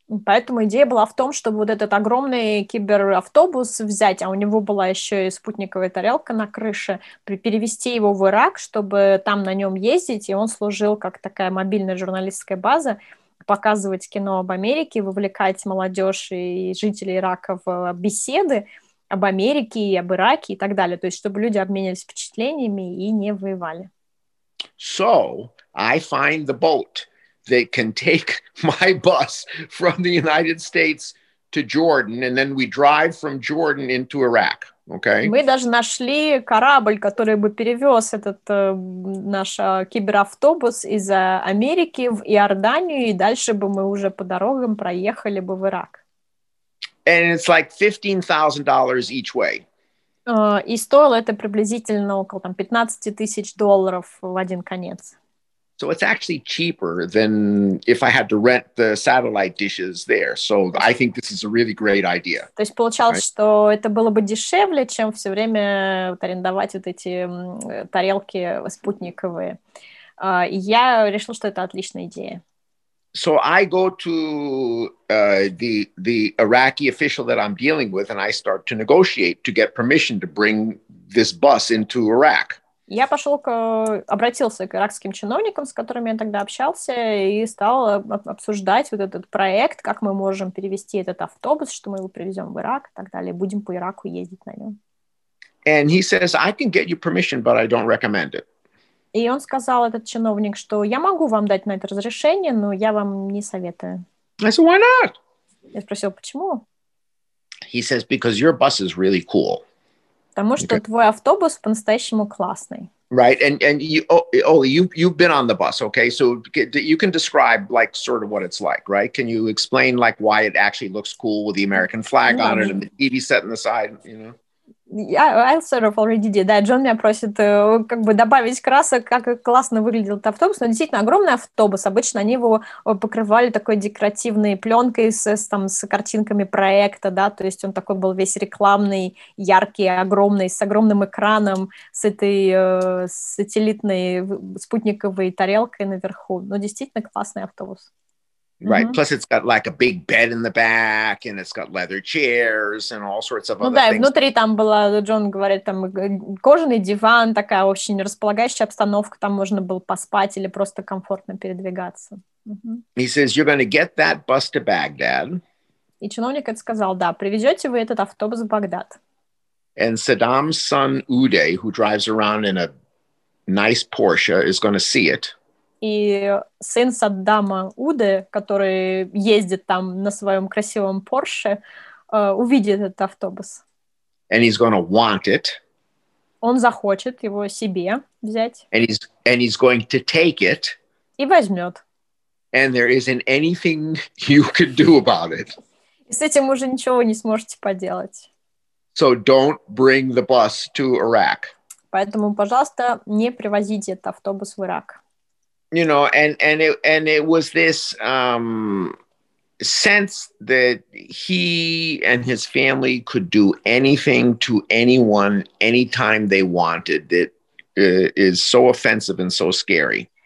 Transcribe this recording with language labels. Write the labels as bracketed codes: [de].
[ru] Поэтому идея была в том, чтобы вот этот огромный киберавтобус взять, а у него была еще и спутниковая тарелка на крыше, перевести его в Ирак, чтобы там на нем ездить, и он служил как такая мобильная журналистская база, показывать кино об Америке, вовлекать молодежь и жителей Ирака в беседы об Америке и об Ираке и так далее. То есть, чтобы люди обменялись впечатлениями и не воевали. [en] So, I find the boat that can take my bus from the United States to Jordan, and then we drive from Jordan into Iraq. Okay. [ru] Мы даже нашли корабль, который бы перевез этот наш киберавтобус из Америки в Иорданию, и дальше бы мы уже по дорогам проехали бы в Ирак. [en] And it's like $15,000 each way. [ru] И стоило это приблизительно около там, $15,000 в один конец. [en] So it's actually cheaper than if I had to rent the satellite dishes there. So I think this is a really great idea. [ru] То есть получалось, right? что это было бы дешевле, чем все время вот арендовать вот эти тарелки спутниковые. Я решил, что это отличная идея. [en] So I go to the Iraqi official that I'm dealing with, and I start to negotiate to get permission to bring this bus into Iraq. [ru] Я пошел к, обратился к иракским чиновникам, с которыми я тогда общался, и стал обсуждать вот этот проект, как мы можем перевести этот автобус, что мы его привезем в Ирак и так далее, будем по Ираку ездить на нем. [en] And he says, I can get you permission, but I don't recommend it. [ru] И он сказал, этот чиновник, что я могу вам дать на это разрешение, но я вам не советую. [en] I said, why not? [ru] Я спросил, почему? [en] He says, because your bus is really cool. [ru] Потому что okay. твой автобус по-настоящему классный. [en] Right, and you, Oli, you've been on the bus, okay? So you can describe, like, sort of what it's like, right? Can you explain, like, why it actually looks cool with the American flag mm-hmm. on it and the TV set on the side, you know? Yeah, I sort of already did. [ru] Да, Джон меня просит как бы добавить красок, как классно выглядел этот автобус. Но действительно, огромный автобус. Обычно они его покрывали такой декоративной пленкой с картинками проекта, да, то есть он такой был весь рекламный, яркий, огромный, с огромным экраном, с этой сателлитной спутниковой тарелкой наверху. Но действительно классный автобус. [en] Right. Mm-hmm. Plus, it's got like a big bed in the back, and it's got leather chairs and all sorts of ну other [ru] да, [en] things. [ru] Ну да, внутри там была, Джон говорит, там кожаный диван, такая очень располагающая обстановка, там можно было поспать или просто комфортно передвигаться. Mm-hmm. [en] He says, "You're going to get that bus to Baghdad." [ru] И чиновник это сказал, да, привезете вы этот автобус в Багдад. [en] And Saddam's son Uday, who drives around in a nice Porsche is going to see it. [ru] И сын Саддама Уды, который ездит там на своем красивом Porsche, увидит этот автобус. [en] And he's going to want it. [ru] Он захочет его себе взять. [en] And he's going to take it. [ru] И возьмет. [en] And there isn't anything you can do about it. [ru] И с этим уже ничего не сможете поделать. [en] So don't bring the bus to Iraq. [ru] Поэтому, пожалуйста, не привозите этот автобус в Ирак. [en] You know, and it was this sense that he and his family could do anything to anyone anytime they wanted that is so offensive and so scary.